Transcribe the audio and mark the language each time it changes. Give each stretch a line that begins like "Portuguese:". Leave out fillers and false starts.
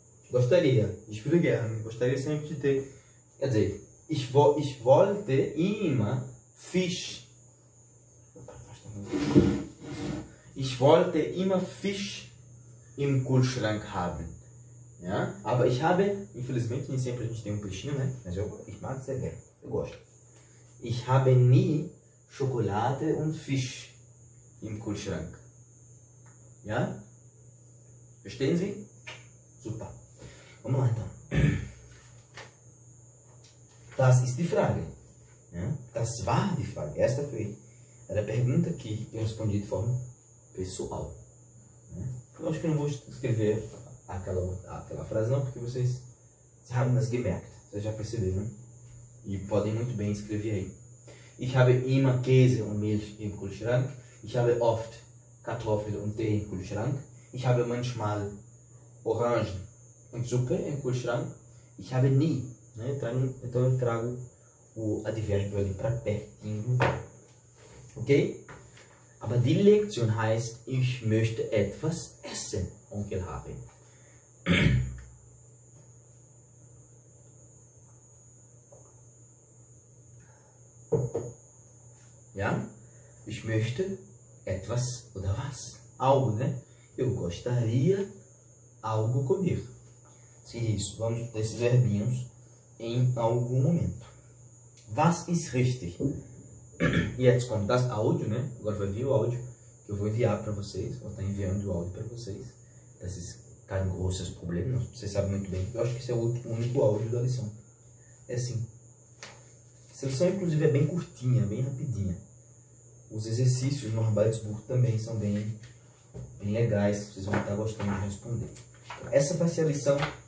Portuguese: Gostaria,
German: ich würde gerne,
Portuguese: gostaria sempre de ter. Quer dizer,
German: ich wollte immer Fisch. Ich wollte immer Fisch im Kühlschrank haben. Ja? Aber ich habe,
Portuguese: infelizmente, nem sempre a gente tem um peixinho, né? Mas
German: ich mag sehr gerne,
Portuguese: eu gosto.
German: Ich habe nie Schokolade und Fisch im Kühlschrank. Ja? Verstehen Sie? Super.
Portuguese: Vamos lá, então.
German: Das ist die Frage. Ja? Das war die Frage.
Portuguese: Esta foi a pergunta que eu respondi de forma pessoal. Né? Eu acho que não vou escrever aquela frase, não, porque vocês
German: haben das gemerkt.
Portuguese: Vocês já perceberam. E podem muito bem escrever aí.
German: Ich habe immer Käse und Milch im Kühlschrank. Ich habe oft Kartoffel und Tee im Kühlschrank. Ich habe manchmal Orangen. Suppe im Kühlschrank, ich habe nie.
Portuguese: Né? Então eu trago o advérbio ali para pertinho. Ok?
German: Aber die Lektion heißt, ich möchte etwas essen, Onkel Harvey. Ja? Ich möchte etwas oder was?
Portuguese: Algo, né? Eu gostaria algo comer. Isso, vamos ter esses verbinhos em algum momento.
German: Was ist richtig?
Portuguese: E
German: jetzt kommt das
Portuguese: áudio, né? Agora vai vir o áudio que eu vou enviar para vocês. Vou estar enviando o áudio para vocês.
German: Desses kein großes Problem.
Portuguese: Vocês sabem muito bem. Eu acho que esse é o único áudio da lição. É assim. Essa lição, inclusive, é bem curtinha, bem rapidinha. Os exercícios no Arbeitsbuch também são bem legais. Vocês vão estar gostando de responder. Essa vai ser a lição.